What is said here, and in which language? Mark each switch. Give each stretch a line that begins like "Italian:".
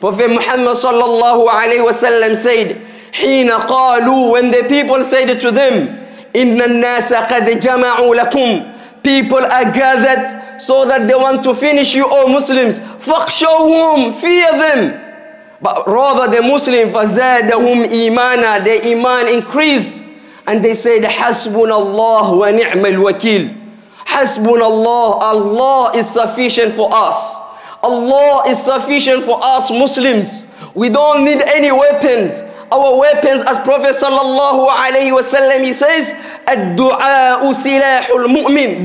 English: Prophet Muhammad sallallahu alayhi wa sallam said,
Arabic: حِينَ قَالُوا,
English: when the people said to them,
Arabic: إِنَّ النَّاسَ قَدْ جَمَعُوا لَكُمْ,
English: people are gathered so that they want to finish you, all Muslims,
Arabic: فَخْشَوْهُمْ,
English: fear them. But rather the Muslim,
Arabic: فَزَادَهُمْ إِيمَانًا,
English: their iman increased. And they said,
Arabic: حَسْبُنَا اللَّهُ وَنِعْمَ الْوَكِيلُ. حَسْبُنَا اللَّهُ,
English: Allah is sufficient for us. Allah is sufficient for us Muslims. We don't need any weapons. Our weapons, as Prophet sallallahu alayhi wa sallam, he says,
Arabic: الدُّعَاءُ سِلَاحُ الْمُؤْمِنِ.